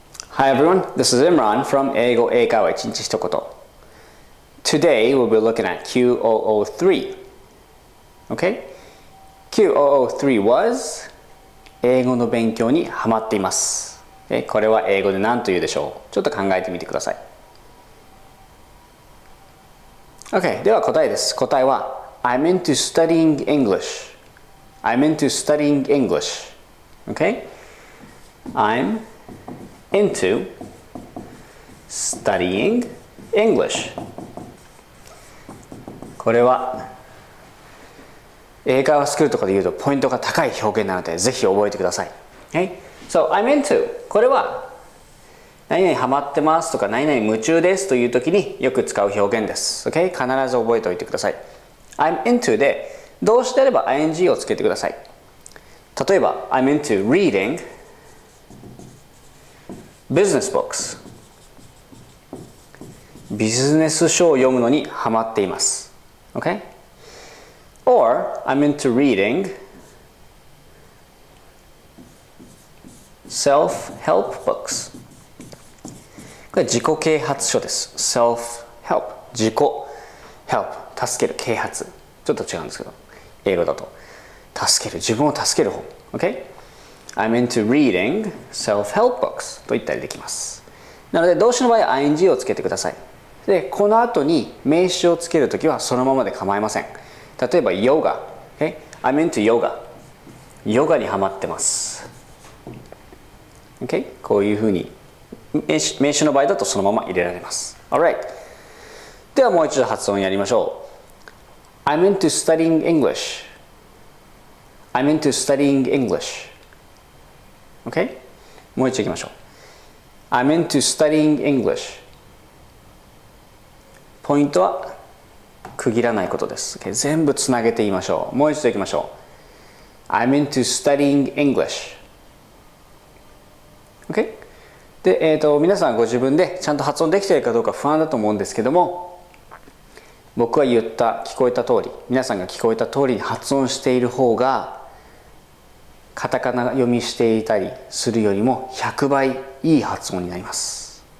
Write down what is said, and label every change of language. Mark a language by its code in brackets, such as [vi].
[en] Hi everyone, this is Imran from 英語英会話一日一言。 Today we'll be looking at Q003. Okay? Q003 was [ja] 英語の勉強にハマっています。これは英語で何と言うでしょう？ちょっと考えてみてください。 Okay, では答えです。答えは [en] I'm into studying English. I'm into studying English. Okay? I'mInto studying English. [ja] これは英会話スクールとかで言うとポイントが高い表現なのでぜひ覚えてください。 [en] Okay? So I'm into. [ja] これは何々ハマってますとか何々夢中ですという時によく使う表現です。 [en] Okay? [ja] 必ず覚えておいてください。 [en] I'm into [ja] で動詞であれば ing をつけてください。例えば [en] I'm into readingBusiness books. [ja] ビジネス書を読むのにハマっています。 [en] Okay? Or, I'm into reading self-help books. [ja] これ自己啓発書です。Self-help. 自己 help. 助ける、啓発。ちょっと違うんですけど、英語だと。助ける、自分を助ける本。 [en] Okay? I'm into reading self-help books [ja] と言ったりできます。なので動詞の場合は ing をつけてください。で、この後に名詞をつけるときはそのままで構いません。例えばヨガ。 [en] Okay? I'm into yoga. [ja] ヨガにハマってます。 [en] Okay? [ja] こういうふうに名詞の場合だとそのまま入れられます。 [en] Alright. [ja] ではもう一度発音やりましょう。 [en] I'm into studying English. I'm into studying English. Okay? [ja] もう一度行きましょう。 [en] I'm into studying English. [ja] ポイントは区切らないことです。 [en] Okay? [ja] 全部つなげて言いましょう。もう一度行きましょう。 [en] I'm into studying English. Okay? [ja] で、皆さんご自分でちゃんと発音できているかどうか不安だと思うんですけども、僕が言った、聞こえた通り、皆さんが聞こえた通りに発音している方が、カタカナ読みしていたりするよりも100倍いい発音になります。